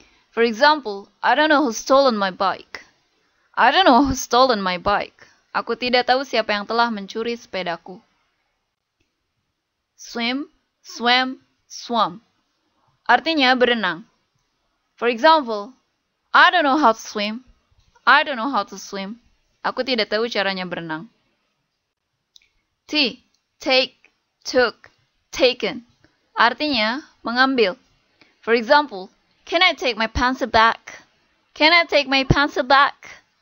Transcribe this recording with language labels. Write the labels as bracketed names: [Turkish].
[English] For example, I don't know who stolen my bike. I don't know who stolen my bike. [Indonesian] Aku tidak tahu siapa yang telah mencuri sepedaku. [English] Swim, swam, swam. [Indonesian] Artinya berenang. [English] For example, I don't know how to swim. I don't know how to swim. [Indonesian] Aku tidak tahu caranya berenang. [English] Take, took, taken. [Indonesian] Artinya mengambil. [English] For example, can I take my pencil back? Can I take my pencil back?